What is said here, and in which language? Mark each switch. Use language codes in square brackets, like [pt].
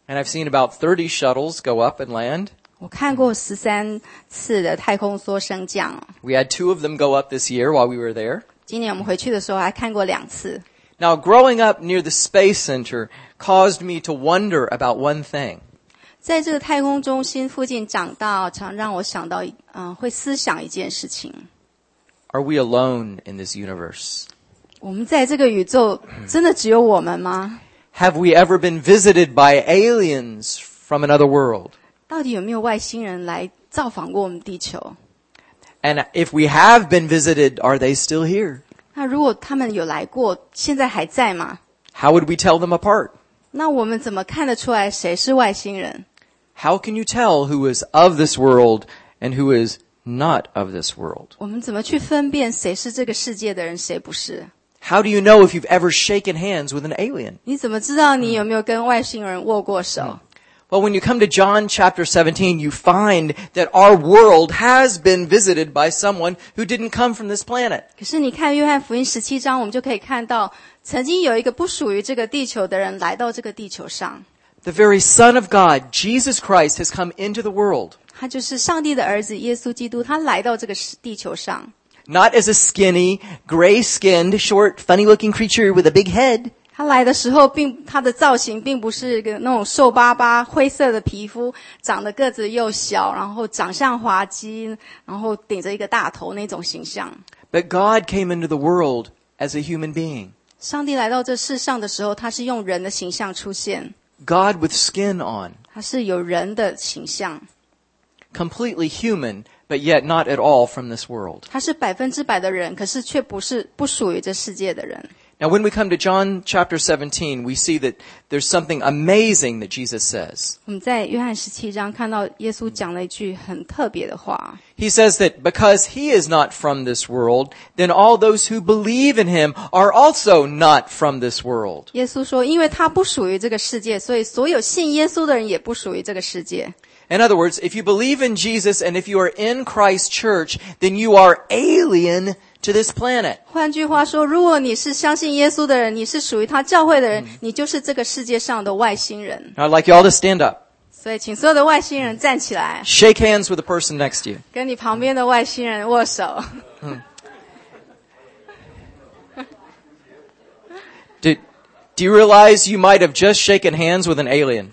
[en] And I've seen about 30 shuttles go up and land. [zh] 我看过13次的太空梭升降。 [en] We had two of them go up this year while we were there. [zh] 今年我们回去的时候还看过两次。 [en] Now, growing up near the Space Center caused me to wonder about one thing. [zh] 在这个太空中心附近长大常让我想到会思想一件事情。 [en] Are we alone in this universe? [zh] 我们在这个宇宙真的只有我们吗? [en] Have we ever been visited by aliens from another world? [zh] 到底有没有外星人来造访过我们地球? [en] And if we have been visited, are they still here? [zh] 那如果他们有来过，现在还在吗? [en] How would we tell them apart? [zh] 那我们怎么看得出来谁是外星人? [en] How can you tell who is of this world and who is not of this world? [zh] 我们怎么去分辨谁是这个世界的人，谁不是? [en] How do you know if you've ever shaken hands with an alien? [zh] 你怎么知道你有没有跟外星人握过手? [en] Well, when you come to John chapter 17, you find that our world has been visited by someone who didn't come from this planet. [zh] 可是你看约翰福音17章，我们就可以看到，曾经有一个不属于这个地球的人来到这个地球上。 [en] The very Son of God, Jesus Christ, has come into the world. [zh] 他就是上帝的儿子耶稣基督，他来到这个地球上。 [en] Not as a skinny, gray-skinned, short, funny-looking creature with a big head. [zh] 他来的时候并他的造型并不是个那种瘦巴巴灰色的皮肤，长得个子又小，然后长相滑稽，然后顶着一个大头那种形象。 [en] But God came into the world as a human being. [zh] 上帝来到这世上的时候，他是用人的形象出现。 [en] God with skin on. [zh] 他是有人的形象。 [en] Completely human, but yet not at all from this world. [zh] 他是百分之百的人，可是却不是不属于这世界的人。 [en] Now when we come to John chapter 17, we see that there's something amazing that Jesus says. [zh] 我们在约翰十七章看到耶稣讲了一句很特别的话。 [en] He says that because he is not from this world, then all those who believe in him are also not from this world. [zh] 耶稣说因为他不属于这个世界，所以所有信耶稣的人也不属于这个世界。 [en] In other words, if you believe in Jesus and if you are in Christ's church, then you are alien to this planet. [zh] 换句话说，如果你是相信耶稣的人，你是属于他教会的人，你就是这个世界上的外星人。 [en] I'd like you all to stand up. [zh] 所以请所有的外星人站起来。 [en] Shake hands with the person next to you. [zh] 跟你旁边的外星人握手。 [en] Do you realize you might have just shaken hands with an alien?